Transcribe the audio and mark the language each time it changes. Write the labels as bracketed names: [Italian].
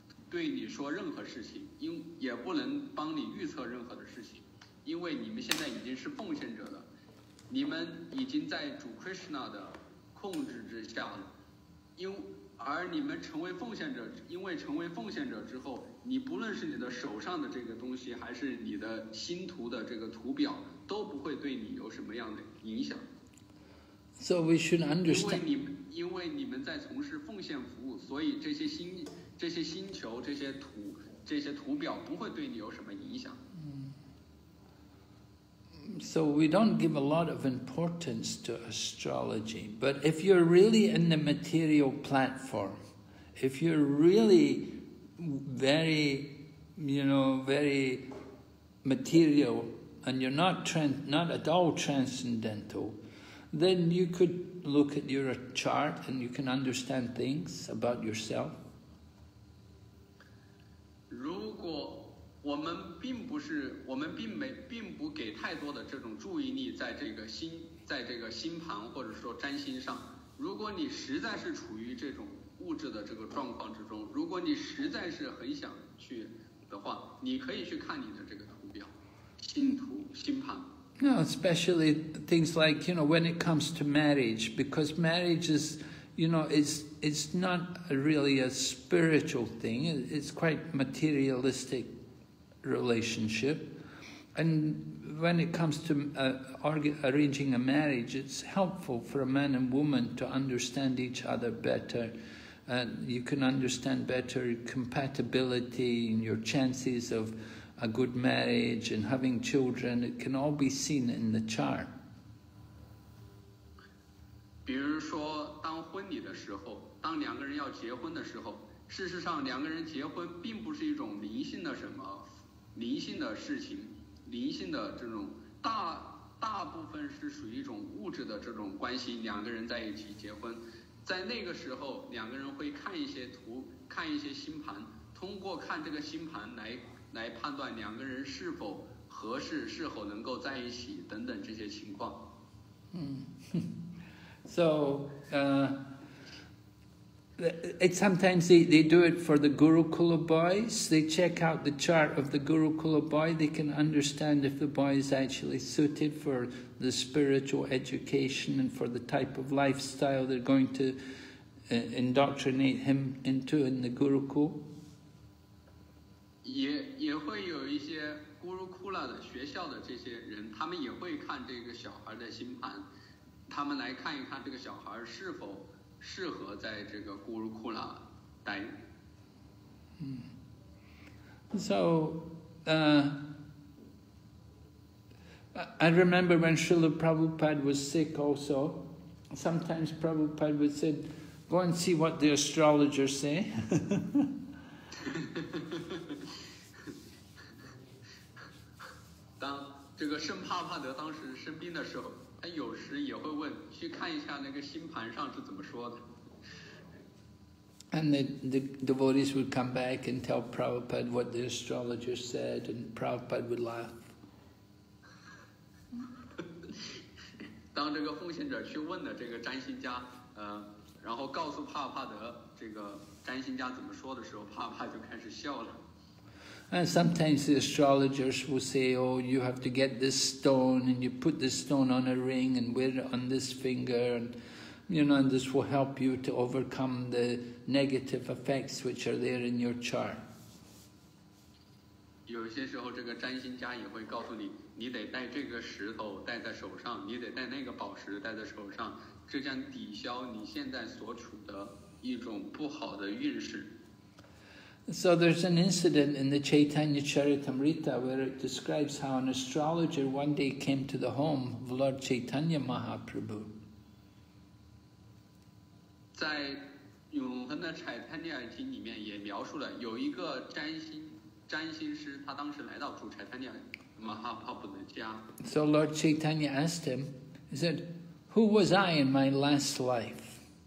[Chinese] 对你说任何事情，因也不能帮你预测任何的事情，因为你们现在已经是奉献者了，你们已经在主 Krishna 的控制之下了，因而你们成为奉献者，因为成为奉献者之后，你不论是你的手上的这个东西，还是你的星图的这个图表，都不会对你有什么样的影响。 [English] So we should understand. [Chinese] 因为你们在从事奉献服务，所以这些星球、这些图表不会对你有什么影响。 [English] So we don't give a lot of importance to astrology, but if you're really in the material platform, if you're really very, you know, very material, and you're not at all transcendental, then you could look at your chart and you can understand things about yourself. [Chinese] 如果我们并不给太多的这种注意力在这个星盘或者说占星上，如果你实在是处于这种物质的这个状况之中，如果你实在是很想去的话，你可以去看你的这个图表星图星盘。 [English] No, especially things like, you know, when it comes to marriage, because marriage is, you know, it's not really a spiritual thing, it's quite materialistic relationship. And when it comes to arranging a marriage, it's helpful for a man and woman to understand each other better. And you can understand better compatibility and your chances of a good marriage and having children. It can all be seen in the chart. [Chinese] 比如说当婚礼的时候，当两个人要结婚的时候，事实上两个人结婚并不是一种灵性的什么灵性的事情，灵性的这种大部分是属于一种物质的这种关系。两个人在一起结婚，在那个时候，两个人会看一些图，看一些星盘，通过看这个星盘来判断两个人是否合适，是否能够在一起等等这些情况。 [English] 嗯 ，So, it's sometimes they do it for the Gurukula boys. They check out the chart of the Gurukula boy. They can understand if the boy is actually suited for the spiritual education and for the type of lifestyle they're going to indoctrinate him into in the Gurukula. [Chinese] 也会有一些 Gurukula 的学校的这些人，他们也会看这个小孩的星盘，他们来看一看这个小孩是否适合在这个古鲁库拉待。 [English] So, I remember when Srila Prabhupada was sick also, sometimes Prabhupada would say, go and see what the astrologers say. [Chinese] 当这个圣帕帕德当时生病的时候，他有时也会问，去看一下那个星盘上是怎么说的。 [English] And the devotees would come back and tell Prabhupada what the astrologer said, and Prabhupada would laugh. [Chinese] 当这个奉献者去问的这个占星家，然后告诉帕帕德这个占星家怎么说的时候，帕帕就开始笑了。 [English] And sometimes the astrologers will say, oh, you have to get this stone, and you put this stone on a ring and wear it on this finger, and, you know, and this will help you to overcome the negative effects which are there in your chart. [Chinese] 有些时候这个占星家也会告诉你，你得带这个石头带在手上，你得带那个宝石带在手上，这将抵消你现在所处的一种不好的运势。 [English] So there's an incident in the Chaitanya Charitamrita where it describes how an astrologer one day came to the home of Lord Chaitanya Mahaprabhu. [Chinese] 在永恒的柴坦尼亚经里面也描述了有一个占星师他当时来到主柴坦尼亚马哈帕布的家。 [English] So Lord Chaitanya asked him, he said, who was I in my last life?